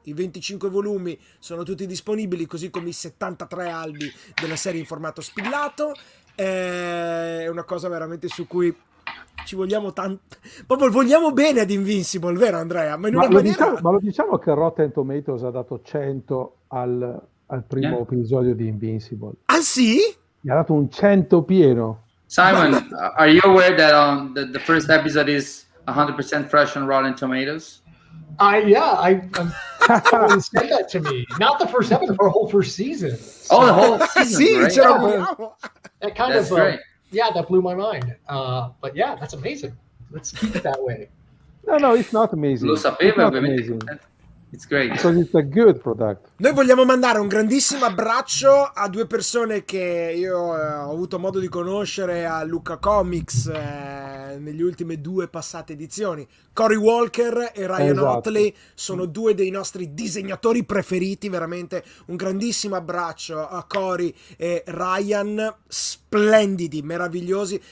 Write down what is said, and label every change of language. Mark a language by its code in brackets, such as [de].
[it] I 25 volumi sono tutti disponibili, così come i 73 albi della serie in formato spillato. È una cosa veramente su cui ci vogliamo tanto. Proprio vogliamo bene ad Invincible, vero Andrea? Ma lo diciamo che Rotten Tomatoes ha dato 100 al primo episodio di Invincible. Ah sì? Mi ha dato un 100 pieno. [en] Simon, are you aware that the first episode is 100% fresh on Rotten Tomatoes? Someone said that to me. Not the first episode, but the whole first season. Oh, the whole season, right? Yeah, that kind that's of, right. Yeah, that blew my mind. But yeah, that's amazing. Let's keep it that way. No, it's not amazing. [it] Lo sapeva, ovviamente. [en] It's great. Because it's a good product. [it] Noi vogliamo mandare un grandissimo abbraccio a due persone che io ho avuto modo di conoscere a Lucca Comics negli ultime due passate edizioni. Cory Walker e Ryan Otley sono due dei nostri disegnatori preferiti, veramente un grandissimo abbraccio a Cory e Ryan, splendidi, meravigliosi.